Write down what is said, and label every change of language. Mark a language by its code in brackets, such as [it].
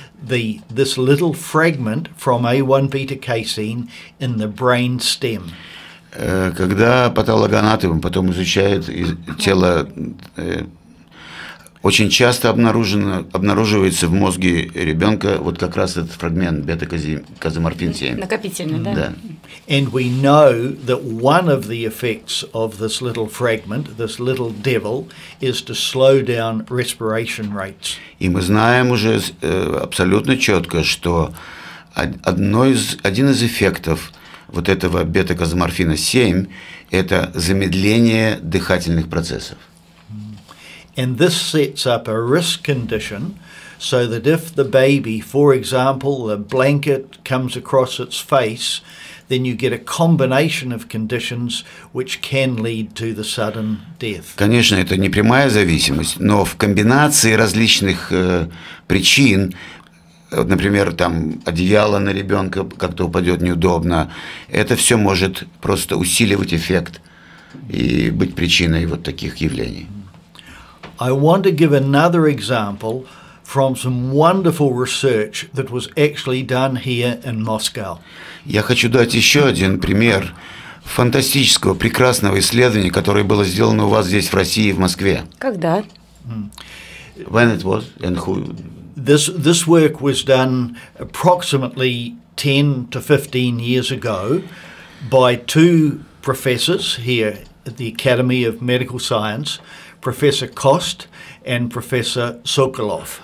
[en] this little fragment from A1 beta casein in the brain stem. [ru] Когда патологоанатомы потом изучают тело, очень часто обнаруживается в мозге ребенка вот как раз этот фрагмент бета-каземорфин 7. Накопительный, да? Да. [en] And we know that one of the effects of this little fragment, this little devil, is to slow down respiration rates. [ru] И мы знаем уже абсолютно четко, что один из эффектов вот этого бета-каземорфина 7 – это замедление дыхательных процессов. [en] And this sets up a risk condition so that if the baby, for example, the blanket comes across its face, then you get a combination of conditions which can lead to the sudden death. [ru] Конечно, это не прямая зависимость, но в комбинации различных причин, например, там одеяло на ребенка как-то упадет неудобно, это все может просто усиливать эффект и быть причиной вот таких явлений. [en] I want to give another example from some wonderful research that was actually done here in Moscow. [ru] Я хочу дать еще один пример фантастического, прекрасного исследования, которое было сделано у вас здесь в России, в Москве. Когда? [en] When it was and who? This work was done approximately 10 to 15 years ago by two professors here at the Academy of Medical Science. [ru] Профессор Кост и профессор Соколов.